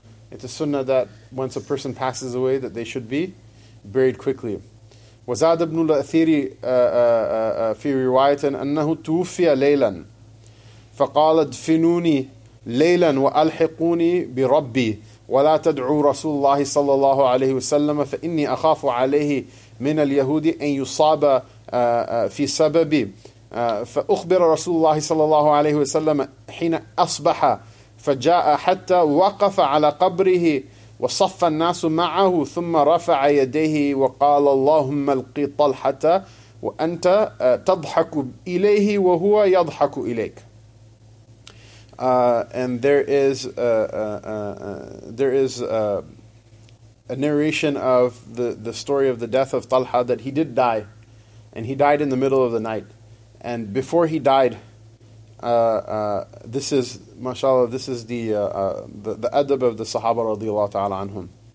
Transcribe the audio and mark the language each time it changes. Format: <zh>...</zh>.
<en>It's a sunnah that once a person passes away, that they should be buried quickly.</en> <ar>وزاد ابن الأثير في رواية أنه توفي ليلا فقال ادفنوني ليلا وألحقوني بربي ولا تدعوا رسول الله صلى الله عليه وسلم فإني أخاف عليه من اليهود أن يصاب في سببي فأخبر رسول الله صلى الله عليه وسلم حين أصبح فجاء حتى وقف على قبره وصف الناس معه ثم رفع يديه وقال اللهم القي طلحة وأنت تضحك إليه وهو يضحك إليك.</ar> <en>And there is a narration of the story of the death of Talha, that he did die, and he died in the middle of the night. And before he died, this is, mashallah, this is the adab of the Sahaba radiallahu ta'ala anhum.</en>